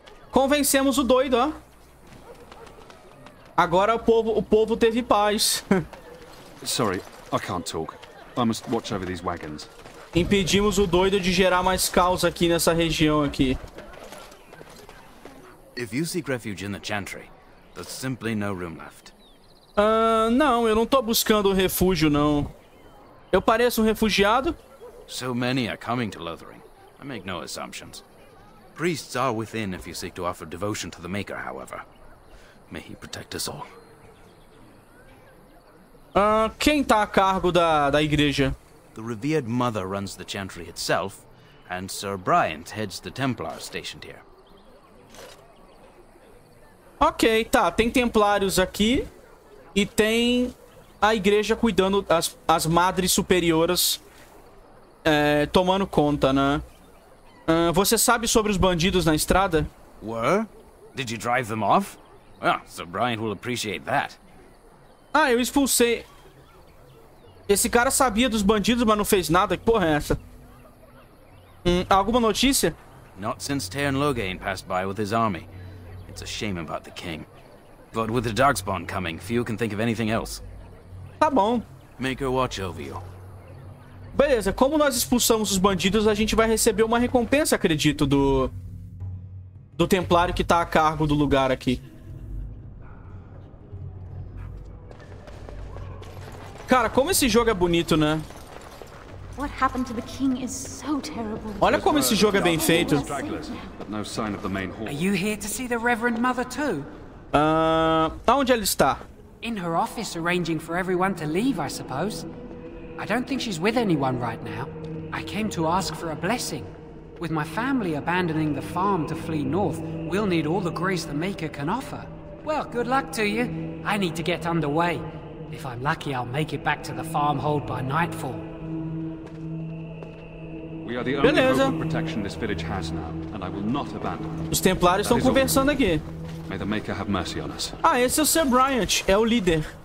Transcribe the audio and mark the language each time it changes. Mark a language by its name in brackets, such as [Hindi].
[Portuguese] Convencemos o doido, ó. Agora o povo teve paz. [English] Sorry, I can't talk. I must watch over these wagons. [Portuguese] Impedimos o doido de gerar mais caos aqui nessa região aqui. [English] If you seek refuge in the chantry, there's simply no room left. [Portuguese] Não, eu não tô buscando um refúgio não. Eu pareço um refugiado? [English] So many are coming to Lothering. I make no assumptions. Priests are within if you seek to offer devotion to the Maker, however. May he protect us all. [Portuguese] Quem tá a cargo da igreja? [English] The revered mother runs the chantry itself, and Sir Bryant heads the Templar stationed here. [Portuguese] Ok, tá. Tem Templários aqui e tem a igreja cuidando as madres superioras tomando conta, né? Você sabe sobre os bandidos na estrada? [English] Were? Did you drive them off? Well, Sir Bryant will appreciate that. [Portuguese] Eu expulsei. Esse cara sabia dos bandidos, mas não fez nada. Que porra é essa? Alguma notícia? [English] Not since Taren Loghain passed by with his army. It's a shame about the king. But with the Darkspawn coming, few can think of anything else. [Portuguese] Tá bom. [English] Make her watch over you. [Portuguese] Beleza, como nós expulsamos os bandidos, a gente vai receber uma recompensa, acredito, do Templário que tá a cargo do lugar aqui. Cara, como esse jogo é bonito, né? [English] What happened to the king is so terrible. [Portuguese] Olha como esse jogo é bem feito. [English] Are you here to see the Reverend Mother too? [Portuguese] Onde ela está? [English] In her office arranging for everyone to leave, I suppose. I don't think she's with anyone right now. I came to ask for a blessing. With my family abandoning the farm to flee north, we'll need all the grace the Maker can offer. Well, good luck to you. I need to get underway. If I'm lucky, I'll make it back to the farm hold by nightfall. We are the only hope of protection this village has now, and I will not abandon. [Portuguese] Os Templários estão conversando aqui. [English] May the Maker have mercy on us. [Portuguese] Esse é o Sir Bryant, é o líder.